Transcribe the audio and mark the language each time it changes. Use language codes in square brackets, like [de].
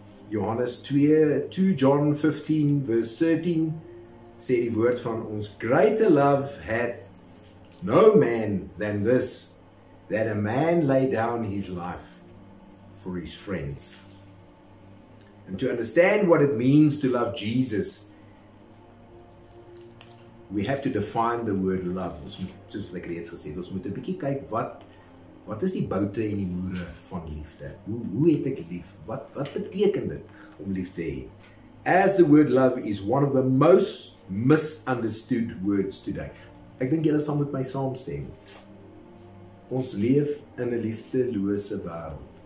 [af] Johannes 2 John 15 vers 13 sê die woord van ons, [en] greater love hath no man than this, that a man lay down his life for his friends. And to understand what it means to love Jesus, we have to define the word love. [af] Soos ek reeds gesê het, ons moet 'n bietjie kyk wat is die boute en die moere van liefde. Hoe het ek lief? Wat beteken dit om lief te hê? [en] As the word love is one of the most misunderstood words today. [af] Ek dink julle sal met my saamstem. Ons leef in 'n liefdelose wêreld.